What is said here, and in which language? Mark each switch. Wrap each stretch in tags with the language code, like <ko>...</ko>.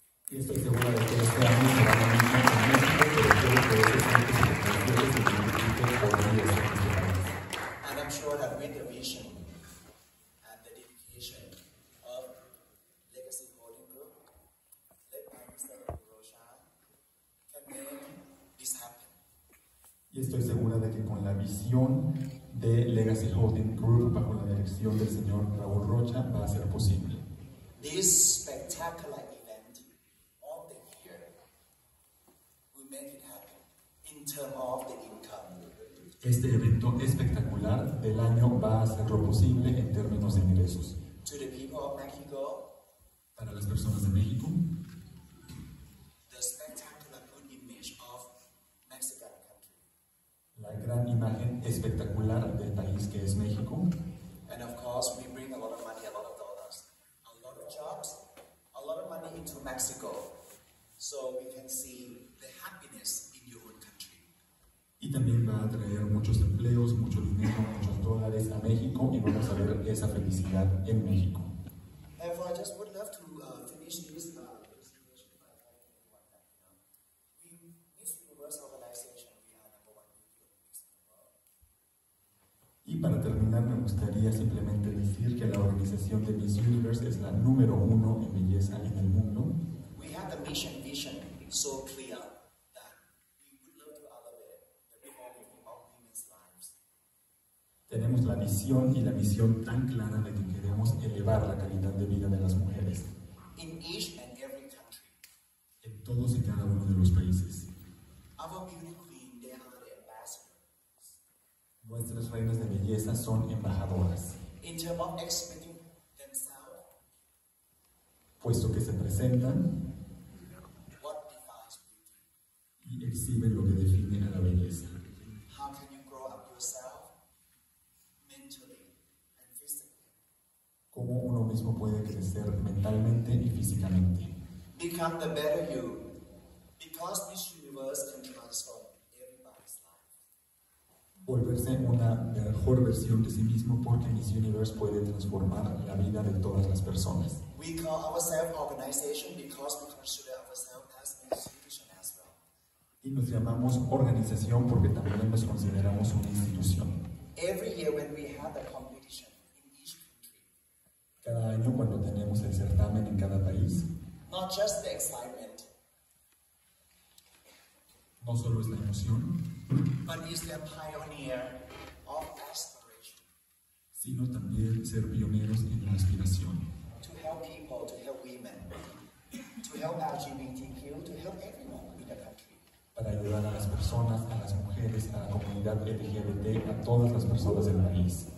<es>Y estoy seguro de que este año se va a dar en México, pero creo que es un presidente que se convierte por un día.</es> <en>And I'm sure that with the vision and the dedication of Legacy Holding Group, led by Mr. Rocha, can make this happen.</en> <es>Y estoy segura de que con la visión de Legacy Holding Group bajo la dirección del señor Raúl Rocha va a ser posible.</es> <en>This spectacular event of the year will make it happen in terms of the income.</en> <es>Este evento espectacular del año va a ser lo posible en términos de ingresos.</es> <en>To the people of Mexico,</en> <es>para las personas de México,</es> <en>the spectacular good image of Mexican country.</en> <es>La gran imagen espectacular del país que es México.</es> <en>And of course, we bring a lot of money, a lot of dollars. Jobs, a lot of money into Mexico, so we can see the happiness in your own country.</en> <es>Y también va a traer muchos empleos, mucho dinero, muchos dólares a México, y vamos a ver esa felicidad en México.</es> <en>Therefore, I just would love to finish this presentation by telling you that, you know, Miss Universe organization, we are number one in the world.</en> <es>Y para terminar, me gustaría simplemente decir que la organización de Miss Universe es la número uno en belleza en el mundo.</es> <en>We have the mission vision so clear that we would love to elevate the quality of women's lives.</en> <es>Tenemos la visión y la misión tan clara de que queremos elevar la calidad de vida de las mujeres.</es> <en>In each and every country.</en> <es>En todos y cada uno de los países.</es> <en>Our beauty queen, they are the ambassadors.</en> <es>Nuestras reinas de belleza son embajadoras.</es> <en>In terms of expecting themselves,</en> <es>puesto que se presentan,</es> <en>what defines beauty?</en> <es>Y exhiben lo que define a la belleza.</es> <en>How can you grow up yourself mentally and physically?</en> <es>¿Cómo uno mismo puede crecer mentalmente y físicamente?</es> <en>Become the better you, because this universe can transform everybody's life.</en> <es>volverse una mejor versión de sí mismo porque Miss Universe puede transformar la vida de todas las personas.</es> <en>We call ourselves organization because we consider ourselves as an institution as well.</en> <es>Y nos llamamos organización porque también nos consideramos una institución.</es> <en>Every year when we have the competition in each country.</en> <es>Cada año cuando tenemos el certamen en cada país.</es> <en>Not just the excitement.</en> <es>No solo es la emoción.</es> <en>But is the pioneer of aspiration.</en> <es>Sino también ser pioneros en la aspiración.</es> <en>To help people, to help women, to help LGBTQ, to help everyone in the country.</en> <es>Para ayudar a las personas, a las mujeres, a la comunidad LGBT, a todas las personas del país.</es>